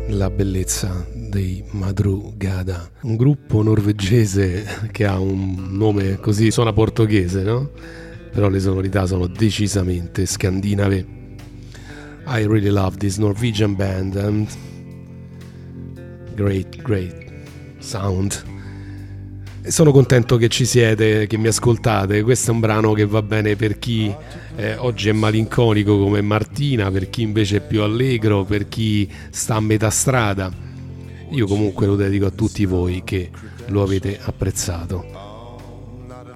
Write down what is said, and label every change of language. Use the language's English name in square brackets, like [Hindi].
[Italian] bellezza dei Madrugada, un gruppo norvegese che ha un nome così, suona portoghese, no? Però le sonorità sono decisamente scandinave. [English] I really love this Norwegian band and great, great sound. [Italian] E sono contento che ci siete, che mi ascoltate. Questo è un brano che va bene per chi oggi è malinconico come Martina, per chi invece è più allegro, per chi sta a metà strada. Io comunque lo dedico a tutti voi che lo avete apprezzato.